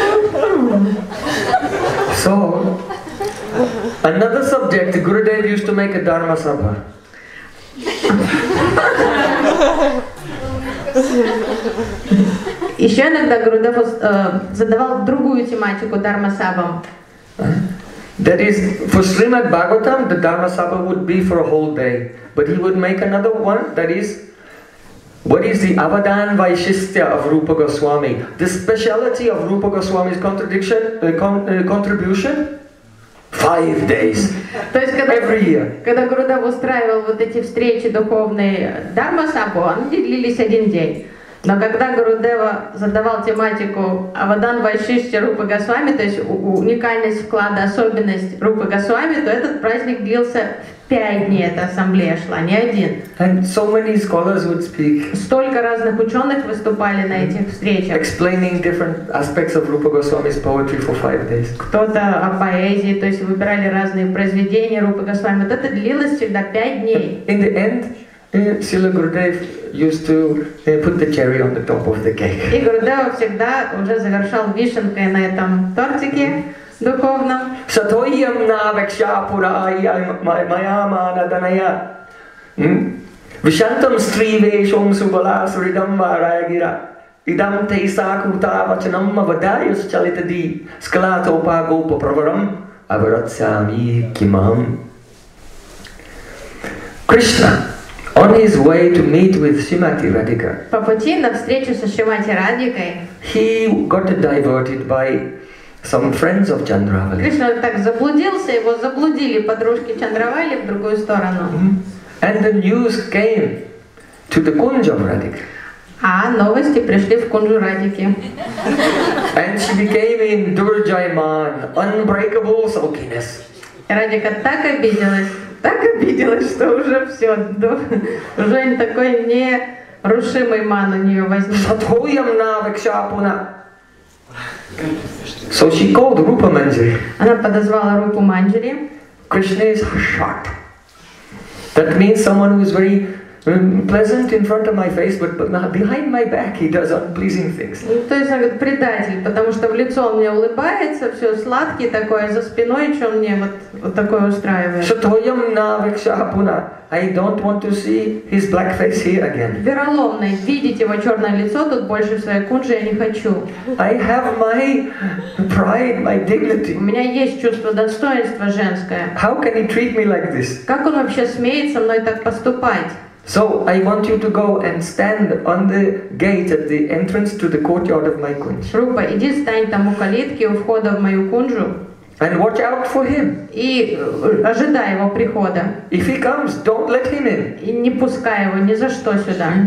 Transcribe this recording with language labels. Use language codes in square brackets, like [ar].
[en] So, another subject, Gurudev used to make a Dharma Sabha. [ru] Еще иногда Гурудев задавал другую тематику Дарма Сабам. [en] That is, for Srimad Bhagavatam, the Dharma Sabha would be for a whole day. But he would make another one, that is, what is the Avadan Vaishishtya of Rupa Goswami? The speciality of Rupa Goswami's contribution? 5 days. [ru] То есть, когда, [en] every year. [ru] Когда Гурудев устраивал вот эти встречи духовные Дарма Сабу, они делились один день. Но когда Гурудева задавал тематику Авадан Вайшишти Рупа Госвами, то есть уникальность вклада, особенность Рупа Госвами, то этот праздник длился 5 дней, эта ассамблея шла, не один. [en] And so many scholars would speak. [ru] Столько разных ученых выступали на этих встречах. [en] Explaining different aspects of Rupa Goswami's poetry for 5 days. [ru] Кто-то о поэзии, то есть выбирали разные произведения Рупа Госвами. Вот это длилось всегда 5 дней. [en] In the end, Srila Gurudev used to put the cherry on the top of the cake. [ru] И Гурудева всегда уже завершал вишенкой на этом тортике духовном. [sa] Сатойям навекша пурая майя мана даная. Вишантам стривешум субалас ридам варая гира. Идам тейса крута вачанам авадайо счалита ди. Скалата упаго упаправарам аваратсами кимам. [en] Кришна, on his way to meet with Srimati Radhika, [ru] по пути на встречу со Шримати Радикой, [en] he got diverted by some friends of Chandravali. [ru] Кришна так заблудился, его заблудили подружки Чандравали в другую сторону. Mm-hmm. [en] And the news came to the Kunja of Radhika. [ru] А новости пришли в Кунжу Радики. [en] And she became in Durjayman, unbreakable sulkiness. [ru] Радика так обиделась. Так обиделась, что уже все, уже такой нерушимый ман у нее возник. [sa] Сатхуям навекшапуна. [en] So she called Rupa Manjari. [ru] Она подозвала Рупу Манджари. [en] Krishna is shocked. That means someone who is very Pleasant in front of my face, but behind my back he does unpleasing things. [ru] То есть он предатель, потому что в лицо он мне улыбается, все сладкий такой, а за спиной что мне вот такое устраивает. [sa] Сутоям на викшапуна. [en] I don't want to see his black face here again. [ru] Вероломный, видеть его черное лицо тут больше в своей кунже я не хочу. [en] I have my pride, my dignity. [ru] У меня есть чувство достоинства женское. [en] How can he treat me like this? [ru] Как он вообще смеет со мной так поступать? [en] So I want you to go and stand on the gate at the entrance to the courtyard of my kunj. [ru] Рупа, иди стань там у калитки у входа в мою кунжу. [en] And watch out for him. [ru] И ожидай его прихода. [en] If he comes, don't let him in. [ru] И не пускай его ни за что сюда.